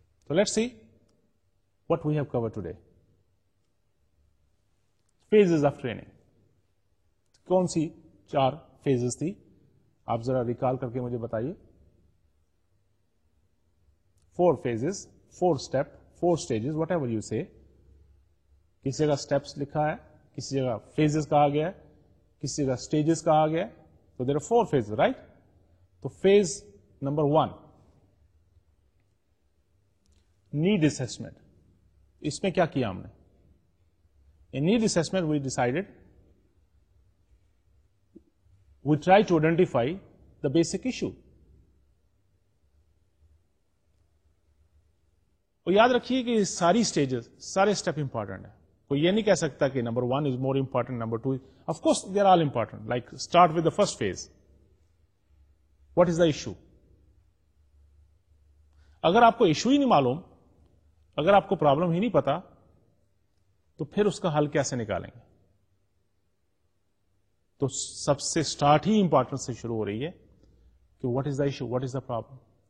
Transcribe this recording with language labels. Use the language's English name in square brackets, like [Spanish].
[English] So let's see what we have covered today. Phases of training. [Urdu] کون سی چار phases تھی آپ ذرا ریکال کر کے مجھے بتائیے. [English] Four phases, four step, four stages, whatever you say. [Urdu] کسی جگہ اسٹیپس لکھا ہے, کسی جگہ فیزز کہا گیا ہے, کسی جگہ اسٹیجز کہا گیا ہے. [English] تو there are four phases, right? تو phase number one, need assessment. [Urdu] اس میں کیا کیا ہم نے؟ [English] In need assessment we decided, we try to identify the basic issue. [Urdu] یاد رکھیے کہ ساری اسٹیجز, سارے اسٹیپ امپورٹنٹ ہیں. کوئی یہ نہیں کہہ سکتا کہ [English] Number one is more important, number two, of course they are all important. Like start with the first phase, what is the issue. [Urdu] اگر آپ کو ایشو ہی نہیں معلوم, اگر آپ کو پرابلم ہی نہیں پتا, تو پھر اس کا حل کیسے نکالیں گے؟ تو سب سے اسٹارٹ ہی امپورٹنس سے شروع ہو رہی ہے کہ [English] What is the issue, what is the problem.